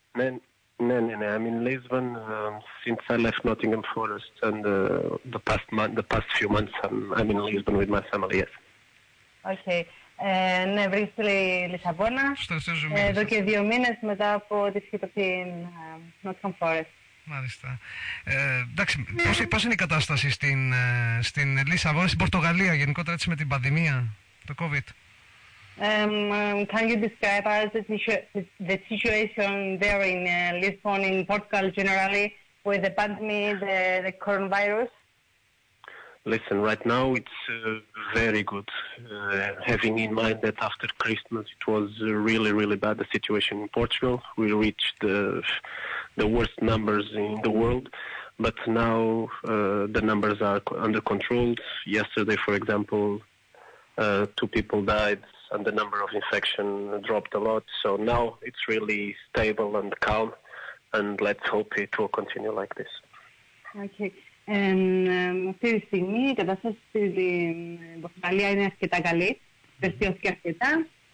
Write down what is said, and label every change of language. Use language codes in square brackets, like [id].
[en] No, I'm in Lisbon since I left Nottingham Forest, and the past few months I'm in Lisbon with my family, yes. Okay. [el] Ναι, βρίσκεται η Λισαβόνα, εδώ και δύο μήνες μετά από τη σχήτα στην Nottingham Forest. Μάλιστα. Εντάξει, πώς είναι η κατάσταση στην Λισαβόνα, στην Πορτογαλία, γενικότερα έτσι με την πανδημία, το COVID? [en] Can you describe us the situation there in Lisbon, in Portugal generally, with the pandemic, the coronavirus? Listen, right now it's very good, having in mind that after Christmas it was really, really bad, the situation in Portugal. We reached the worst numbers in the world, but now the numbers are under control. Yesterday, for example, two people died and the number of infection dropped a lot. So now it's really stable and calm, and let's hope it will continue like this. Okay. [el] Αυτή τη στιγμή η κατάσταση στην Πορτογαλία είναι αρκετά καλή, βελτιώθηκε αρκετά.